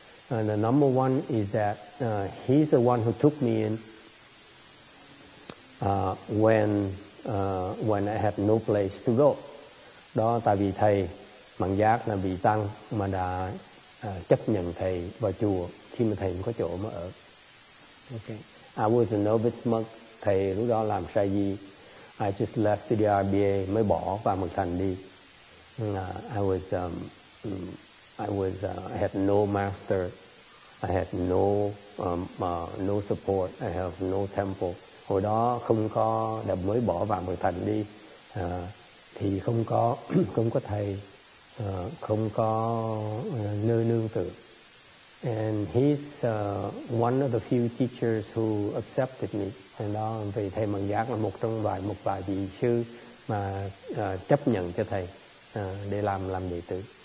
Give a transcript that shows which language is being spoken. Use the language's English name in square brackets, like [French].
[English] And the number one is that he's the one who took me in when I had no place to go. [Vietnamese] Đó tại vì thầy Mạng Giác là vị tăng mà đã chấp nhận thầy vào chùa khi mà thầy không có chỗ mà ở. Okay. [English] I was a novice monk. [Vietnamese] Thầy lúc đó làm sa di. [English] I just left the RBA, [Vietnamese] mới bỏ Phạm Mực Thành đi. [English] I had no master. I had no support. I have no temple. [Vietnamese] Hồi đó không có, đã mới bỏ Phạm Mực Thành đi, thì không có không có thầy, không có nơi nương tựa. [English] And he's one of the few teachers who accepted me. [Vietnamese] And đó, vì thầy Mận Giác là một trong vài một vài vị sư mà chấp nhận cho thầy để làm đệ tử.